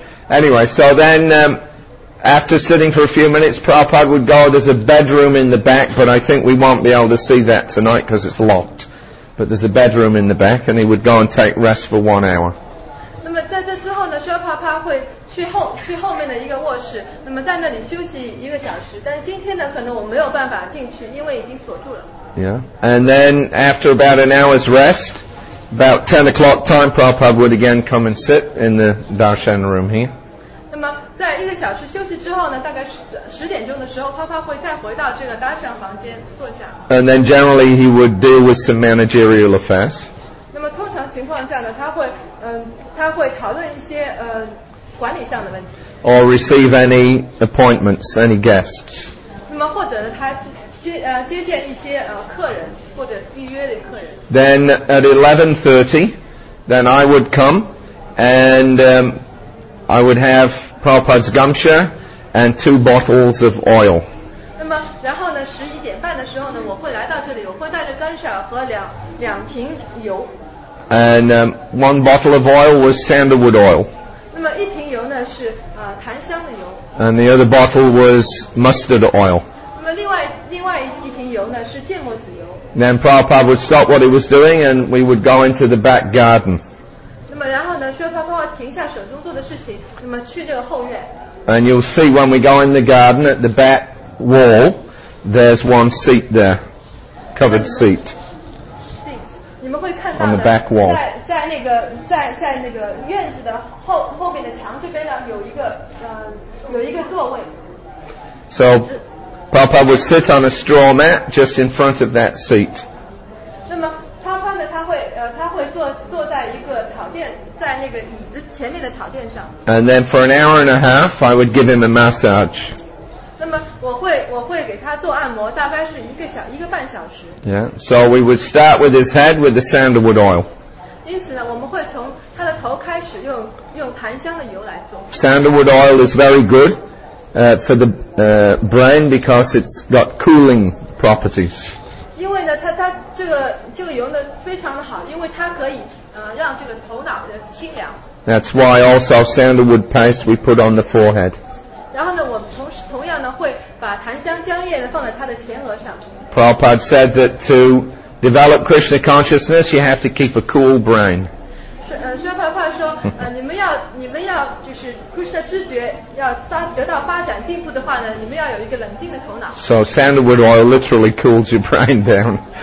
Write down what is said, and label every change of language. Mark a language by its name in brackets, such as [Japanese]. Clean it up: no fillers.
[English] Anyway, so then after sitting for a few minutes, Prabhupada would go, there's a bedroom in the back, but I think we won't be able to see that tonight because it's locked. But there's a bedroom in the back, and he would go and take rest for 1 hour. [Chinese] 那么在这之后呢，舒帕帕会去后面的一个卧室，那么在那里休息一个小时。但是今天呢，可能我没有办法进去，因为已经锁住了。 [English] Yeah, and then after about an hour's rest,About 10 o'clock time, Prabhupada would again come and sit in the darshan room here. [Chinese] 那么在一个小时休息之后呢，大概十点钟的时候，Prabhupada会再回到这个darshan房间坐下。 [English] And then generally he would deal with some managerial affairs. [Chinese] 那么通常情况下呢，他会讨论一些管理上的问题。 [English] Or receive any appointments, any guests. [Chinese] 那么或者呢，他。接见一些客人或者预约的客人。 [English] Then at 11:30, then I would come and I would have Prabhupada's gumsha and 2 bottles of oil. [Chinese] 那么然后呢，十一点半的时候呢，我会来到这里，我会带着gumsha和两瓶油。 [English] And one bottle of oil was sandalwood oil. [Chinese] 那么一瓶油呢是檀香的油。 [English] And the other bottle was mustard oil. [Chinese] 另外一瓶油呢是芥末籽油。 [English] Then Prabhupada would stop what he was doing and we would go into the back garden. [Chinese] 那么然后呢，舒帕帕会停下手中做的事情，那么去这个后院。 [English] And you'll see when we go in the garden at the back wall, there's one seat there, covered seat. Seat. [Chinese] 你们会看到呢。 [English] On the back wall. [Chinese] 在那个院子的后面的墙这边呢，有一个座位。 [English] So. Prabhupada would sit on a straw mat just in front of that seat. [Chinese] 那么Prabhupada呢，他会坐在一个草垫，在那个椅子前面的草垫上。 [English] And then for an hour and a half, I would give him a massage. [Chinese] 那么我会给他做按摩，大概是一个半小时。 [English] Yeah, so we would start with his head with the sandalwood oil. [Chinese] 因此呢，我们会从他的头开始用檀香的油来做。 [English] Sandalwood oil is very good. For the brain because it's got cooling properties. [Chinese] 因为呢，它这个油呢非常的好，因为它可以让这个头脑的清凉。 [English] That's why also sandalwood paste we put on the forehead. [Chinese] 然后呢，我同样呢会把檀香浆液放在它的前额上。 [English] Prabhupada said that to develop Krishna consciousness, you have to keep a cool brain. [Chinese] 舒帕帕说，你们要就是 Krishna 知觉要得到发展进步的话呢，你们要有一个冷静的头脑。 [English] So sandalwood oil literally cools your brain down.